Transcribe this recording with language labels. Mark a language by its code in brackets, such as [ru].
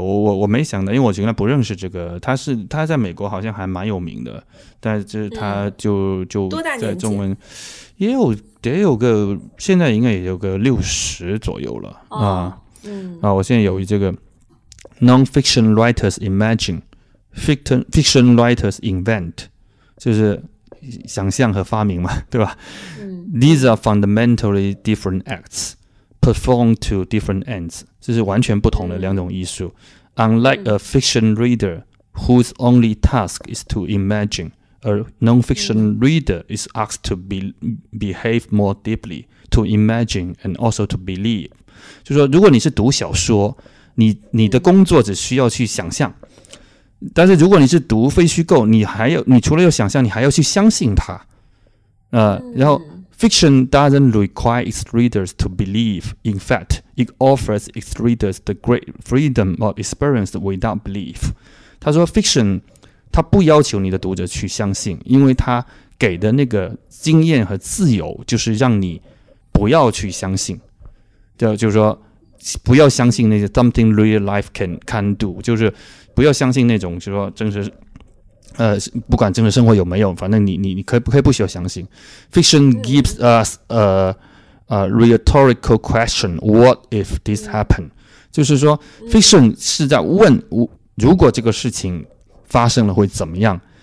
[zh] 我没想到，因为我原来不认识这个，他在美国好像还蛮有名的，但是他就在中文也有得有个，现在应该也有个60左右了啊。我现在有这个 [en] Non-fiction writers imagine Fiction writers invent， [zh] 就是想象和发明嘛，对吧。 [en] These are fundamentally different acts performed to different ends， [zh] 就是完全不同的两种艺术。 [en] Unlike a fiction reader whose only task is to imagine， a non-fiction reader is asked to behave more deeply， to imagine and also to believe。 [zh] 就是说如果你是读小说， 你的工作只需要去想象，但是如果你是读非虚构，你除了要想象，你还要去相信它。然后 [en] Fiction doesn't require its readers to believe. In fact, it offers its readers the great freedom of experience without belief. [zh] 他说 Fiction 它不要求你的读者去相信，因为它给的那个经验和自由就是让你不要去相信，就是说不要相信那些 [en] something real life can do， [zh] 就是不要相信那种，就是说真实，不管真实生活有没有，反正你可以不需要相信。 [en] Fiction gives us a rhetorical question, what if this happened， [zh] 就是说 Fiction 是在问如果这个事情发生了会怎么样。